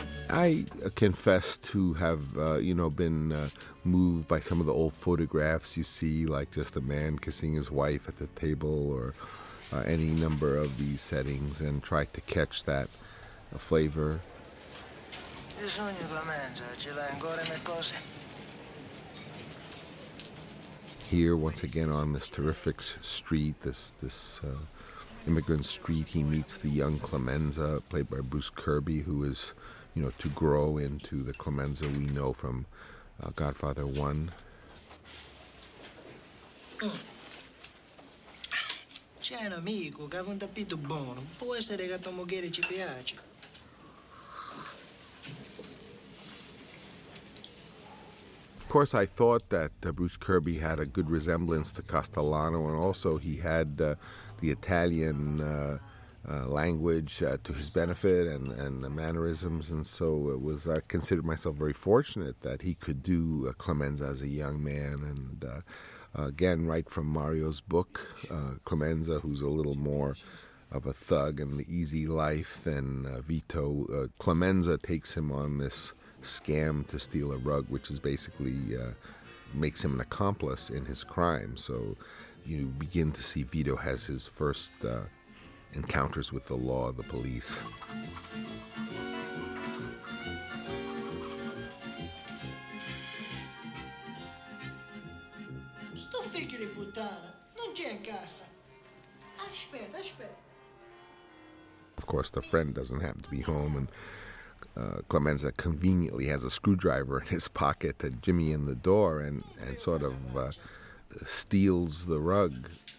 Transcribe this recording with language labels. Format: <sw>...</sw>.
<en>I confess to have, been moved by some of the old photographs you see, like just a man kissing his wife at the table or any number of these settings, and tried to catch that flavor.</en> <it>Il sogno che mangia, ce l'hai ancora le cose?</it> <en>Here, once again, on this terrific street, this immigrant street, he meets the young Clemenza, played by Bruce Kirby, who is, you know, to grow into the Clemenza we know from Godfather 1.</en> <it>C'è un amico che ha un tappeto buono. Può essere che a tua moglie ci piace.</it> <en>Of course, I thought that Bruce Kirby had a good resemblance to Castellano, and also he had the Italian language to his benefit and the mannerisms, and so it was. I considered myself very fortunate that he could do Clemenza as a young man, and again, right from Mario's book, Clemenza, who's a little more of a thug and the easy life than Vito, Clemenza takes him on this scam to steal a rug, which is basically makes him an accomplice in his crime. So you begin to see Vito has his first encounters with the law, the police.</en> <it>Sto figlio di puttana, non c'è in casa. Aspetta, aspetta.</it> <en>Of course, the friend doesn't happen to be home, and Clemenza conveniently has a screwdriver in his pocket to jimmy in the door and sort of steals the rug.</en>